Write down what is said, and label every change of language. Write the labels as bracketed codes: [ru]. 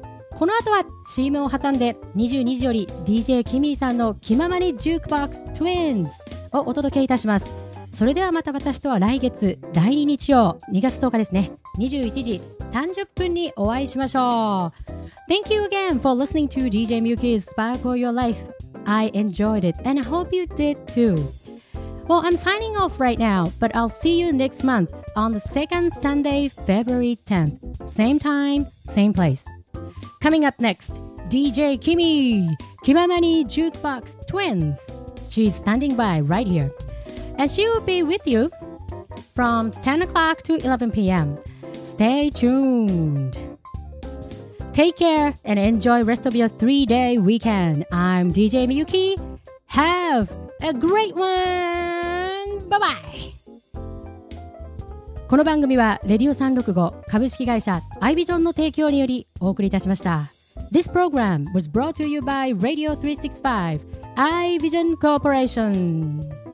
[ja] この後は CM を挟んで、22時より DJ キミーさんの気ままにジュークボックスツインズをお届けいたします。それではまた私とは来月第2日曜2月10日ですね、21時30分にお会いしましょう。 [en] Thank you again for listening to DJ Miyuki's Spark of Your Life. I enjoyed it and I hope you did too. Well, I'm signing off right now, but I'll see you next month on the second Sunday, February 10th. Same time, same place. Coming up next, DJ Kimi, Kimamani Jukebox Twins. She's standing by right here. And she will be with you from 10 o'clock to 11 p.m. Stay tuned. Take care and enjoy the rest of your three-day weekend. I'm DJ Miyuki. Have a great one! Bye-bye! [ja] この番組はレディオ365株式会社アイビジョンの提供によりお送りいたしました。 [en] This program was brought to you by Radio 365 アイビジョンコーポレーション。